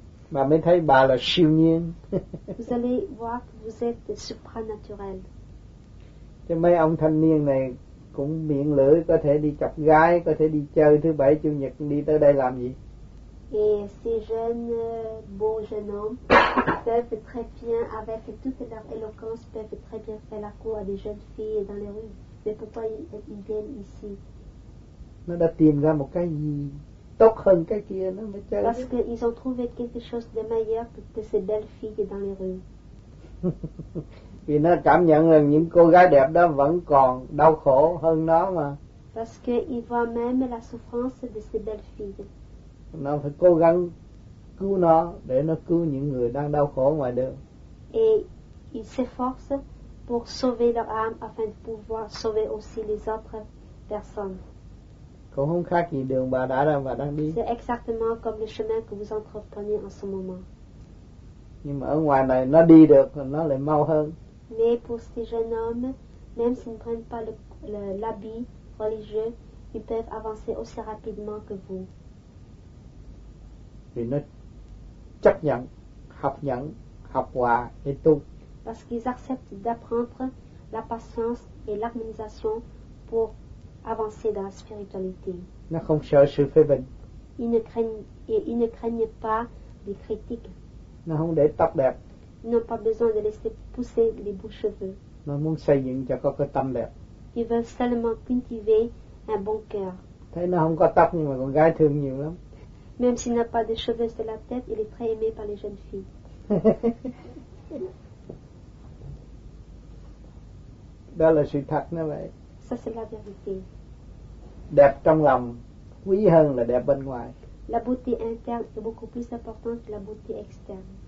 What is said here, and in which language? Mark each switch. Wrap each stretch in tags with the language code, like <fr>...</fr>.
<vi>Bà mới thấy bà là siêu nhiên.</vi> <fr>Vous allez voir que vous êtes supranaturel.</fr> <vi>Chứ mấy ông thanh niên này cũng miệng lưỡi, có thể đi chọc gái, có thể đi chơi thứ bảy chủ nhật, đi tới đây làm gì?</vi> <fr>Et ces jeunes beaux jeunes hommes peuvent très bien avec toute leur éloquence peuvent très bien faire la cour à des jeunes filles dans les rues. Mais pourquoi ils viennent ici?</fr> <vi>Nó đã tìm ra một cái gì tốt hơn cái kia nó mới chơi.</vi> <fr>Parce qu'ils ont trouvé quelque chose de meilleur que ces belles filles dans les rues.</fr> <vi>Vì nó cảm nhận rằng những cô gái đẹp đó vẫn còn đau khổ hơn nó mà.</vi> <fr>Parce qu'ils voient même la souffrance de ces belles filles.</fr> <vi>Nó phải cố gắng cứu nó để nó cứu những người đang đau khổ ngoài đường.</vi> <fr>Et ils s'efforcent pour sauver leur âme afin de pouvoir sauver aussi les autres personnes.</fr> <vi>Cũng không khác gì đường bà đã đang và đang đi.</vi> <fr>C'est exactement comme le chemin que vous entreprenez en ce moment.</fr> <vi>Nhưng mà ở ngoài này nó đi được nó lại mau hơn.</vi> <fr>Mais pour ces jeunes hommes, même s'ils ne prennent pas l'habit religieux, ils peuvent avancer aussi rapidement que vous.</fr> <vi>Vì nó chấp nhận, học hòa</vi> <fr>et tout. Parce qu'ils acceptent d'apprendre la patience et l'harmonisation pour avancer dans la spiritualité.</fr> <vi>Nó không sợ sự phê bình.</vi> <fr>Ils ne craignent pas les critiques.</fr> <vi>Nó không để tóc đẹp.</vi> <fr>Ils n'ont pas besoin de laisser pousser les beaux cheveux.</fr> <vi>Nó muốn xây dựng cho có cái tâm đẹp.</vi> <fr>Ils veulent seulement cultiver un bon cœur.</fr> <vi>Thấy nó không có tóc nhưng mà con gái thương nhiều lắm.</vi> <fr>Même s'il n'a pas de cheveux sur la tête, il est très aimé par les jeunes filles.</fr> <vi>Đó là sự thật nữa vậy.</vi> <fr>Ça c'est la vérité.</fr> <vi>Đẹp trong lòng quý hơn là đẹp bên ngoài.</vi> <fr>La beauté interne est beaucoup plus importante que la beauté externe.</fr>